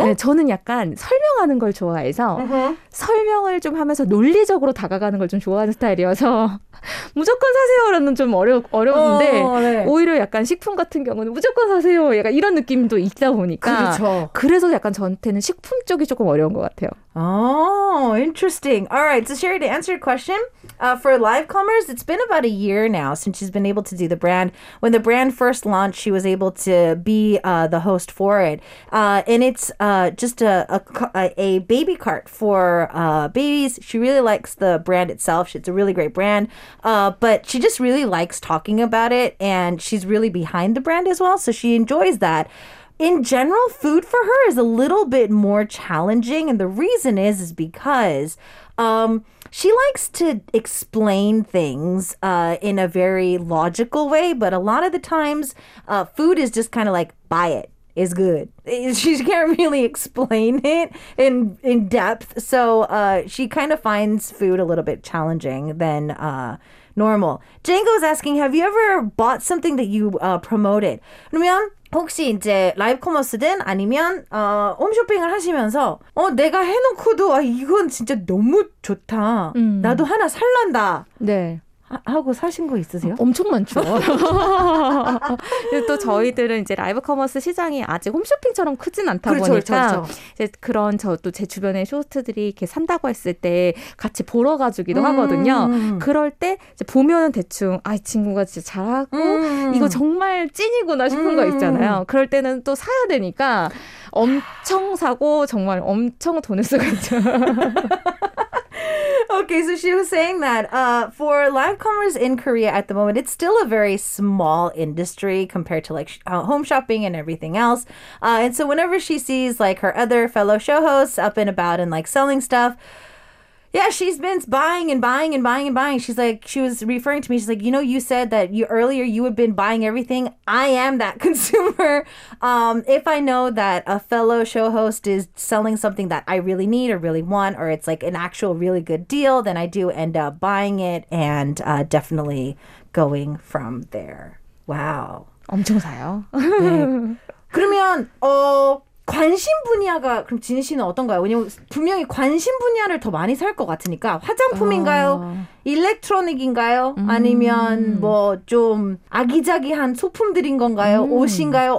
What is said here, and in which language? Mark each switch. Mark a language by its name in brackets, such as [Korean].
[Korean] 네, 저는 약간 설명하는 걸 좋아해서 설명을 좀 하면서 논리적으로 다가가는 걸 좀 좋아하는 스타일이어서 무조건 사세요라는 좀 어려운데 네. 오히려 약간 식품 같은 경우는 무조건 사세요 약간 이런 느낌도 있다 보니까 그렇죠. 그래서 약간 저한테는 식품 쪽이 조금 어려운 것 같아요. [English] Oh, interesting. All right, so Sherry, to answer your question, for live commerce, it's been about a year now since she's been able to do the brand. When the brand first launched, she was able to be the host for it. And it's just a baby cart for babies. She really likes the brand itself. It's a really great brand. But she just really likes talking about it. And she's really behind the brand as well. So she enjoys that. In general, food for her is a little bit more challenging. And the reason is because she likes to explain things in a very logical way. But a lot of the times, food is just kind of like, buy it. Is good. She can't really explain it in depth. So she kind of finds food a little bit challenging than normal. Django's asking, have you ever bought something that you promoted? [Korean] 그러면 혹시 이제 라이브 커머스든 아니면 홈쇼핑을 하시면서 내가 해놓고도 이건 진짜 너무 좋다. 나도 하나 살란다. 네. 하고 사신 거 있으세요? 엄청 많죠. 또 저희들은 이제 라이브 커머스 시장이 아직 홈쇼핑처럼 크진 않다 그렇죠, 보니까 그렇죠. 이제 그런 저도 제 주변에 쇼스트들이 이렇게 산다고 했을 때 같이 보러 가주기도 하거든요. 그럴 때 이제 보면은 대충 아, 이 친구가 진짜 잘하고 이거 정말 찐이구나 싶은 거 있잖아요. 그럴 때는 또 사야 되니까 엄청 사고 정말 엄청 돈을 쓰거든요. [English] Okay, so she was saying that for live commerce in Korea at the moment, it's still a very small industry compared to like home shopping and everything else. And so whenever she sees like her other fellow show hosts up and about and like selling stuff, yeah, she's been buying and buying and buying and buying. She's like, she was referring to me. She's like, you know, you said that you earlier you had been buying everything. I am that consumer. If I know that a fellow show host is selling something that I really need or really want, or it's like an actual really good deal, then I do end up buying it and definitely going from there. Wow. [Korean] 엄청 사요. 네. 그러면 관심 분야가 그럼 진희 씨는 어떤가요? 왜냐면 분명히 관심 분야를 더 많이 살 것 같으니까 화장품인가요? 일렉트로닉인가요? 아니면 뭐 좀 아기자기한 소품들인 건가요? 옷인가요?